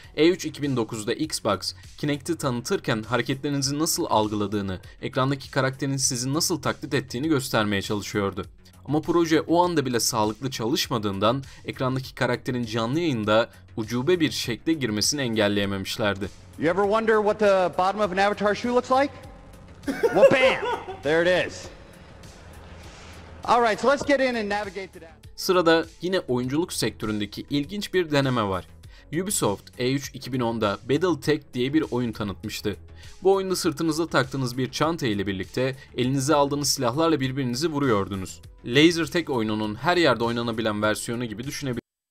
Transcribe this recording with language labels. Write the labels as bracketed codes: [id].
[tr] E3 2009'da Xbox Kinect'i tanıtırken hareketlerinizi nasıl algıladığını, ekrandaki karakterin sizi nasıl taklit ettiğini göstermeye çalışıyordu. Ama proje o anda bile sağlıklı çalışmadığından ekrandaki karakterin canlı yayında ucube bir şekle girmesini engelleyememişlerdi. [en] You ever wonder what the bottom of an avatar shoe looks like? Well, bam! There it is. All right, so let's get in and navigate to that. [tr] Sırada yine oyunculuk sektöründeki ilginç bir deneme var. Ubisoft E3 2010'da BattleTech diye bir oyun tanıtmıştı. Bu oyunda sırtınıza taktığınız bir çanta ile birlikte elinize aldığınız silahlarla birbirinizi vuruyordunuz. Laser Tag oyununun her yerde oynanabilen versiyonu gibi düşünebilirsiniz.